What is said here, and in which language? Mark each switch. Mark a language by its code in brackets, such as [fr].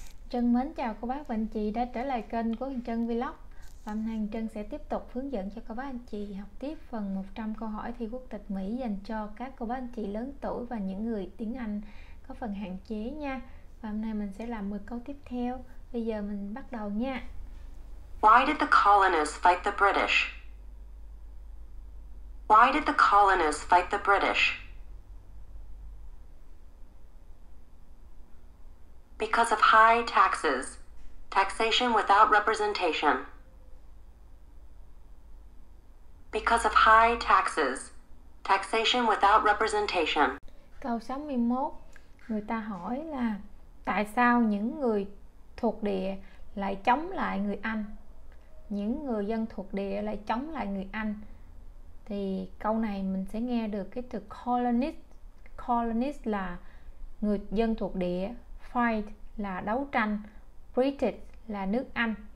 [vi] Trân mến chào cô bác và anh chị đã trở lại kênh của Trân Vlog. Và hôm nay Trân sẽ tiếp tục hướng dẫn cho cô bác anh chị học tiếp phần 100 câu hỏi thi quốc tịch Mỹ dành cho các cô bác anh chị lớn tuổi và những người tiếng Anh có phần hạn chế nha. Và hôm nay mình sẽ làm 10 câu tiếp theo. Bây giờ mình bắt đầu nha. [en] Why did the colonists fight the British? Why did the colonists fight the British? Because of high taxes, taxation without representation. Because of high taxes, taxation without representation. [vi] Câu 61, người ta hỏi là tại sao những người thuộc địa lại chống lại người Anh? Những người dân thuộc địa lại chống lại người Anh? Thì câu này mình sẽ nghe được cái từ colonist. Colonist là người dân thuộc địa. Fight là đấu tranh, British là nước Anh.